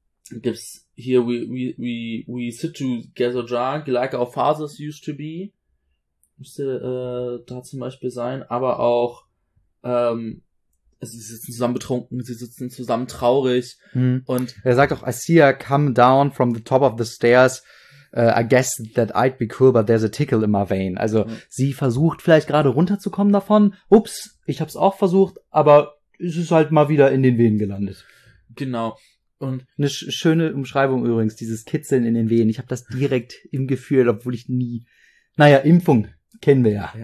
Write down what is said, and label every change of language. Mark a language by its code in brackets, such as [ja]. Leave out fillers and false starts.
[de] Gibt's hier, [en] we sit together drunk, like our fathers used to be. [de] Müsste da zum Beispiel sein. Aber auch sie sitzen zusammen betrunken, sie sitzen zusammen traurig. Und [en] er sagt auch, I see her come down from the top of the stairs. I guess that I'd be cool, but there's a tickle in my vein. [de] Also sie versucht vielleicht gerade runterzukommen davon. Ups, ich hab's auch versucht, aber es ist halt mal wieder in den Venen gelandet. Genau. Und eine schöne Umschreibung übrigens, dieses Kitzeln in den Venen. Ich hab das direkt im Gefühl, obwohl ich nie... Naja, Impfung. Kennen wir ja.